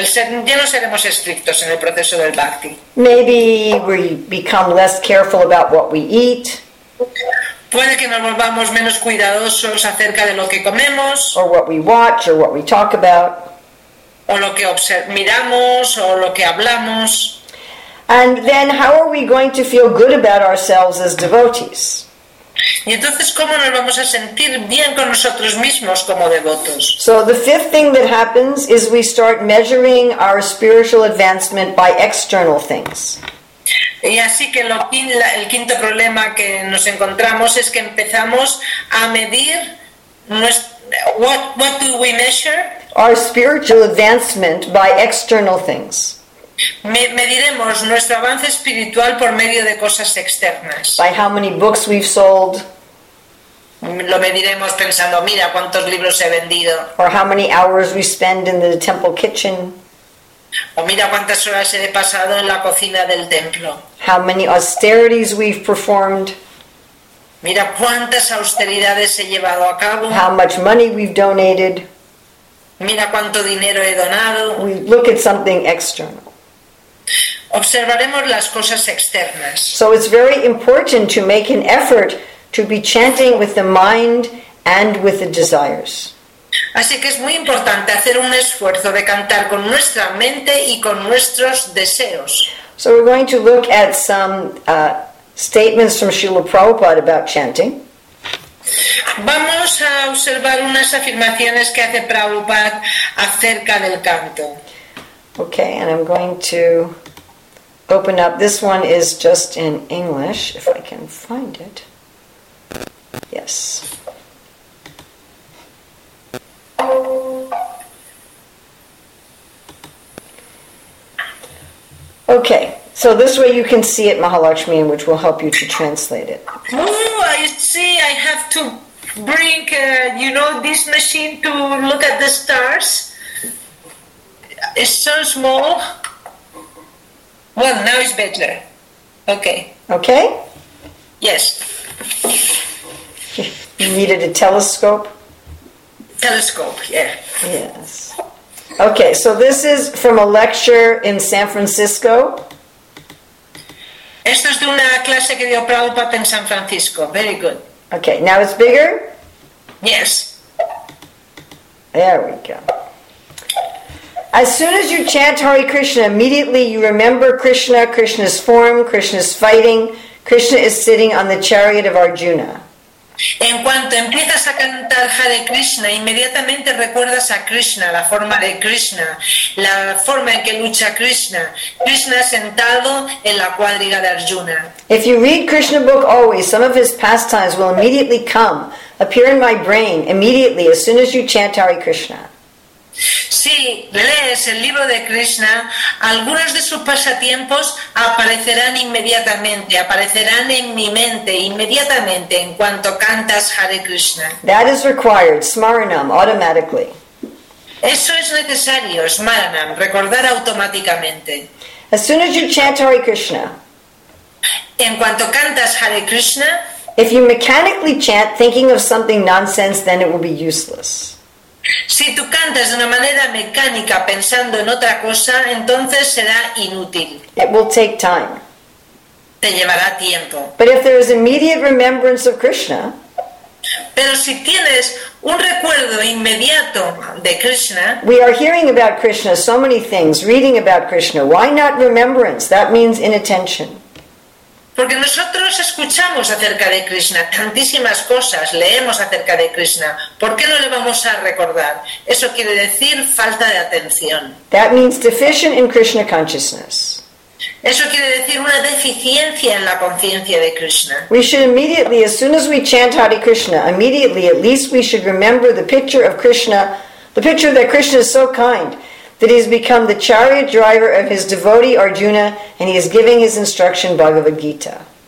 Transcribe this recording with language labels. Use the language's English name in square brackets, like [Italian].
[Spanish] ya no seremos estrictos en el proceso del bhakti. [English] Maybe we become less careful about what we eat. [Spanish] Puede que nos volvamos menos cuidadosos acerca de lo que comemos. [English] Or what we watch or what we talk about. [Spanish] O lo que miramos o lo que hablamos. [English] And then how are we going to feel good about ourselves as devotees? [Spanish] Y entonces, ¿cómo nos vamos a sentir bien con nosotros mismos como devotos? [English] So the fifth thing that happens is we start measuring our spiritual advancement by external things. [Spanish] Y así que el quinto problema que nos encontramos es que empezamos a medir [English] what do we measure? Our spiritual advancement by external things. [Spanish] Mediremos nuestro avance espiritual por medio de cosas externas. [English] By how many books we've sold. [Spanish] Lo mediremos pensando, mira cuántos libros he vendido. [English] Or how many hours we spend in the temple kitchen. [Spanish] O mira cuántas horas he pasado en la cocina del templo. [English] How many austerities we've performed. [Spanish] Mira cuántas austeridades he llevado a cabo. [English] How much money we've donated. [Spanish] Mira cuánto dinero he donado. [English] We look at something external. [Spanish] Observaremos las cosas externas. [English] So it's very important to make an effort to be chanting with the mind and with the desires. [Spanish] Así que es muy importante hacer un esfuerzo de cantar con nuestra mente y con nuestros deseos. [English] So we're going to look at some statements from Srila Prabhupada about chanting. [Spanish] Vamos a observar unas afirmaciones que hace Prabhupada acerca del canto. [English] Okay, and I'm going to open up. This one is just in English, if I can find it. Yes. Okay, so this way you can see it, Mahalakshmi, which will help you to translate it. Oh, I see. I have to bring, this machine to look at the stars. It's so small. Well, now it's better. Okay. Okay? Yes. You needed a telescope? Telescope, yeah. Yes. Okay, so this is from a lecture in San Francisco. [Spanish] Esto es de una clase que dio Prabhupada en San Francisco. [English] Very good. Okay, now it's bigger? Yes. There we go. As soon as you chant Hare Krishna, immediately you remember Krishna, Krishna's form, Krishna's fighting, Krishna is sitting on the chariot of Arjuna. [Spanish] En cuanto empiezas a cantar Hare Krishna, inmediatamente recuerdas a Krishna, la forma de Krishna, la forma en que lucha Krishna, Krishna sentado en la cuadriga de Arjuna. [English] If you read Krishna book always, some of his pastimes will immediately come, appear in my brain, immediately, as soon as you chant Hare Krishna. [Spanish] Si lees el libro de Krishna, algunos de sus pasatiempos aparecerán en mi mente inmediatamente en cuanto cantas Hare Krishna. [English] That is required, smaranam, automatically. [Spanish] Eso es necesario, smaranam, recordar automáticamente. [English] As soon as you chant Hare Krishna. [Spanish] En cuanto cantas Hare Krishna. [English] If you mechanically chant thinking of something nonsense, then it will be useless. [Spanish] Si tú cantas de una manera mecánica pensando en otra cosa, entonces será inútil. [English] It will take time. [Spanish] Te llevará tiempo. [English] But if there is immediate remembrance of Krishna, [Spanish] pero si tienes un recuerdo inmediato de Krishna, [English] we are hearing about Krishna, so many things, reading about Krishna. Why not remembrance? That means inattention. [Spanish] Porque nosotros escuchamos acerca de Krishna, tantísimas cosas, leemos acerca de Krishna. ¿Por qué no le vamos a recordar? Eso quiere decir falta de atención. [English] That means deficient in Krishna consciousness. [Spanish] Eso quiere decir una deficiencia en la conciencia de Krishna. [English] We should immediately, as soon as we chant Hare Krishna, immediately, at least we should remember the picture of Krishna, the picture that Krishna is so kind, that he has become the chariot driver of his devotee Arjuna and he is giving his instruction Bhagavad Gita.